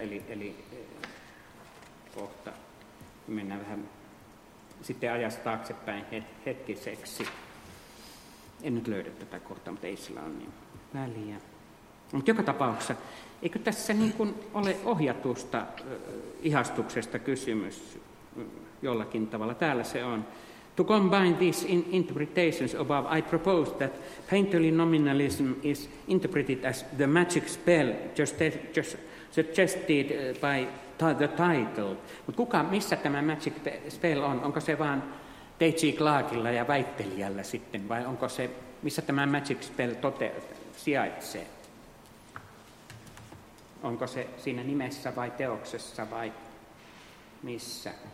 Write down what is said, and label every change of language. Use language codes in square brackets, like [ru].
[fi] Eli kohta mennään vähän sitten ajasta taaksepäin hetkiseksi. En nyt löydä tätä kohtaa, mutta ei sillä ole niin väliä. Mutta joka tapauksessa, eikö tässä niin kuin ole ohjatusta ihastuksesta kysymys jollakin tavalla? Täällä se on. [en] To combine these interpretations above, I propose that painterly nominalism is interpreted as the magic spell just suggested by the title. [fi] Mutta kuka, missä tämä [en] magic spell [fi] on? Onko se vaan T.J. Clarkilla ja väittelijällä sitten, vai onko se, missä tämä [en] magic spell [fi] sijaitsee? Onko se siinä nimessä vai teoksessa vai missä?